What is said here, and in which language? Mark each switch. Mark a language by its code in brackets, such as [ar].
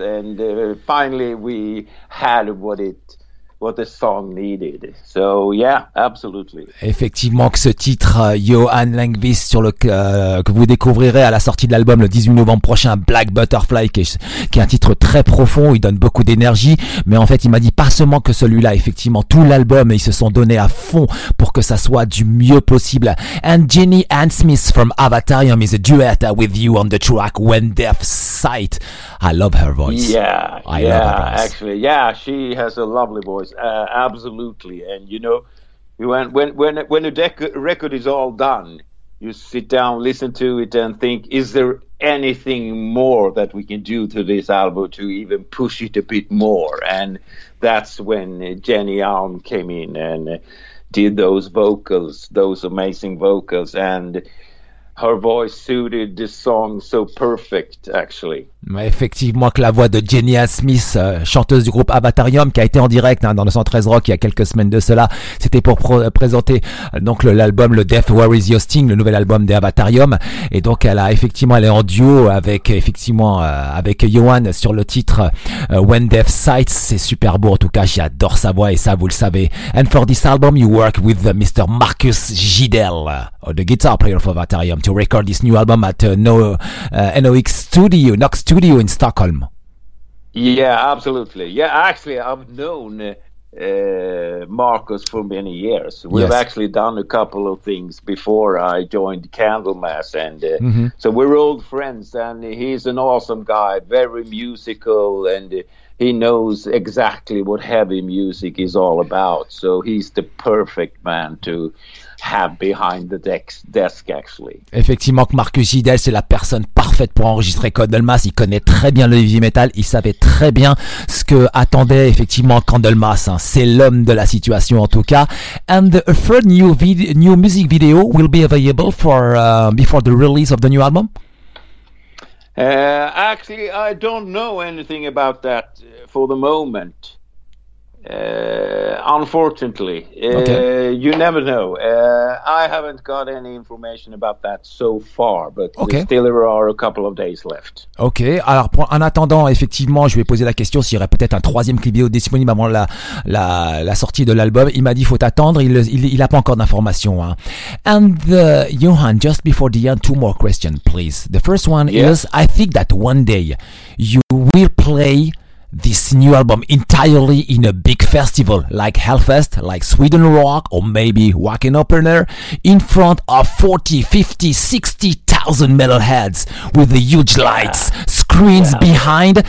[en] And finally, we had what the song needed. So yeah, absolutely. [fr] Effectivement, que ce titre Johan Langvist sur le que vous découvrirez à la sortie de l'album le 18 novembre prochain, Black Butterfly, qui est un titre très profond, il donne beaucoup d'énergie, mais en fait, il m'a dit pas seulement que celui-là, effectivement, tout l'album, ils se sont donnés à fond pour que ça soit du mieux possible. [en] And Jenny Ann Smith from Avatarium is a duet with you on the track When Death Sight. I love her voice. Yeah, she has a lovely voice. Absolutely. And you know, when a record is all done, you sit down, listen to it, and think, is there anything more that we can do to this album to even push it a bit more? And that's when Jenny Alm came in and did those vocals, those amazing vocals, and her voice suited the song so perfect, actually. [fr] Mais effectivement, que la voix de Jenny Ann Smith, chanteuse du groupe Avatarium, qui a été en direct dans le 113 Rock il y a quelques semaines de cela, c'était pour présenter donc l'album le Death Worries Your Sting, le nouvel album des Avatarium. Et donc elle est en duo avec Johan sur le titre When Death Sights. C'est super beau, en tout cas j'adore sa voix, et ça vous le savez. [en] And for this album you work with Mr. Marcus Gidel, the guitar player for Avatarium, to record this new album at NOX Studio, Nox Studio in Stockholm. Yeah, absolutely. Yeah, actually, I've known Marcus for many years. We've actually done a couple of things before I joined Candlemass, and so we're old friends, and he's an awesome guy, very musical, and he knows exactly what heavy music is all about. So he's the perfect man to have behind the desk, actually. [fr] Effectivement, que Marcus Gidel, c'est la personne parfaite pour enregistrer Candlemass. Il connaît très bien le heavy metal. Il savait très bien ce que attendait effectivement Candlemass. Hein. C'est l'homme de la situation, en tout cas. [en] And the third new music video will be available for before the release of the new album. Actually, I don't know anything about that for the moment. Unfortunately, you never know. I haven't got any information about that so far, but still there are a couple of days left. [fr] Ok, alors en attendant, effectivement, je vais poser la question s'il y aurait peut-être un troisième clip vidéo disponible avant la sortie de l'album. Il m'a dit faut attendre, il a pas encore d'informations. Hein. [en] And Johan, just before the end, two more questions, please. The first one is, I think that one day you will play this new album entirely in a big festival like Hellfest, like Sweden Rock, or maybe Wacken Opener, in front of 40, 50, 60,000 metalheads with the huge lights, screens behind.